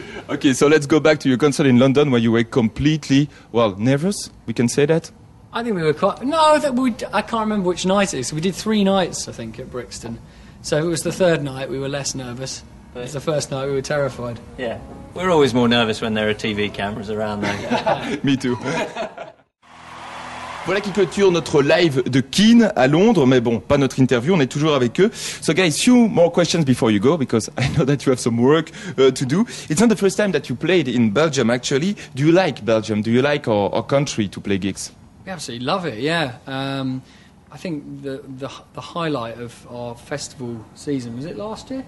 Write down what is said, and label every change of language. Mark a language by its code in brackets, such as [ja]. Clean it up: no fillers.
[en] Okay, so let's go back to your concert in London where you were completely, well, nervous, we can say that? I think we were quite, no, that we'd, I can't remember which night it is. We did three nights, I think, at Brixton. So it was the third night we were less nervous. But it was the first night we were terrified. Yeah, we're always more nervous when there are TV cameras around though. Me too. [fr] Voilà qui clôture notre live de Keen à Londres, mais bon, pas notre interview, on est toujours avec eux. [en] So guys, few more questions before you go, because I know that you have some work to do. It's not the first time that you played in Belgium, actually. Do you like Belgium? Do you like our country to play gigs? We absolutely love it, yeah. I think the highlight of our festival season, was it last year?